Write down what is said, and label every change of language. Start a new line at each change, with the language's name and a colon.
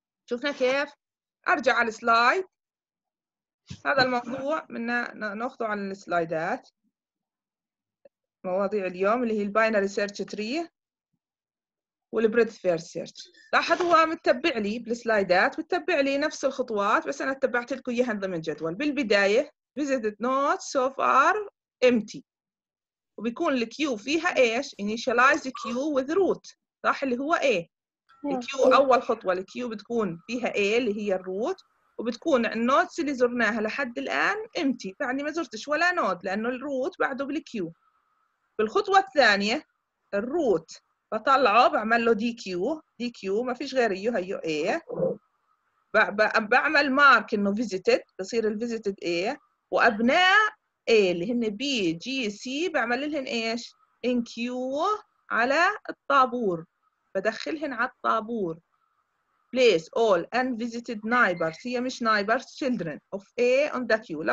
Arabic: شفنا كيف؟ أرجع على السلايد. هذا الموضوع منا ناخذه على السلايدات مواضيع اليوم اللي هي الباينري سيرش تري والبريث فير سيرش. لاحظ هو متبع لي بالسلايدات متبع لي نفس الخطوات بس أنا اتبعت لكم إياها ضمن جدول. بالبداية
English: visited nodes so far empty
Arabic: وبيكون الكيو فيها ايش؟
English: initialize the queue with root
Arabic: صح اللي هو A. الكيو أول خطوة الكيو بتكون فيها A اللي هي الروت وبتكون النودز اللي زرناها لحد الآن empty يعني ما زرتش ولا نود لأنه الروت بعده بالكيو. بالخطوة الثانية الروت بطلعه بعمل له DQ ما فيش غير إيه هيو A بعمل مارك إنه visited بصير ال visited A وأبناء A اللي هن B G C بعمل لهن إيش إن كيو على الطابور بدخلهن على الطابور
English: place all unvisited neighbors
Arabic: هي مش neighbors
English: children of A on the queue.